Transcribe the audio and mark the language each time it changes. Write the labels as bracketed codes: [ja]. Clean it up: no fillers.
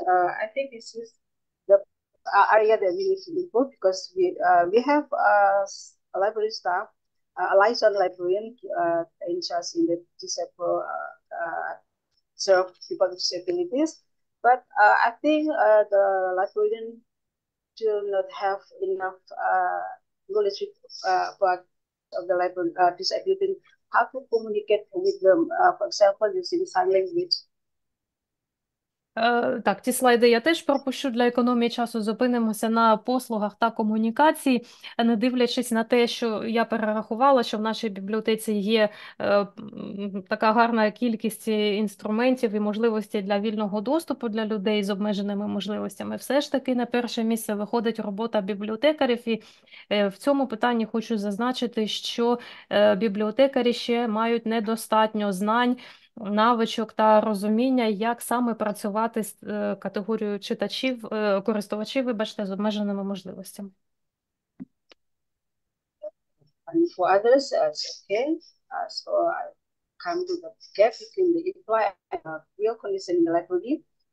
[en] I think this is the area that we need to improve because we have a library staff, a liaison librarian in charge in the disabled serve people with disabilities. But I think the librarian do not have enough knowledge about of the library disability, how to communicate with them, for example, using sign language. [uk] Так, ті слайди я теж пропущу для економії часу. Зупинимося на послугах та комунікації, не дивлячись на те, що я перерахувала, що в нашій бібліотеці є така гарна кількість інструментів і можливостей для вільного доступу для людей з обмеженими можливостями. Все ж таки на перше місце виходить робота бібліотекарів, і в цьому питанні хочу зазначити, що бібліотекарі ще мають недостатньо знань, навичок та розуміння, як саме працювати з категорією читачів, користувачів, вибачте, з обмеженими можливостями. [en] And for others, it's okay. So I come to the gap between the implied and the real condition in the library.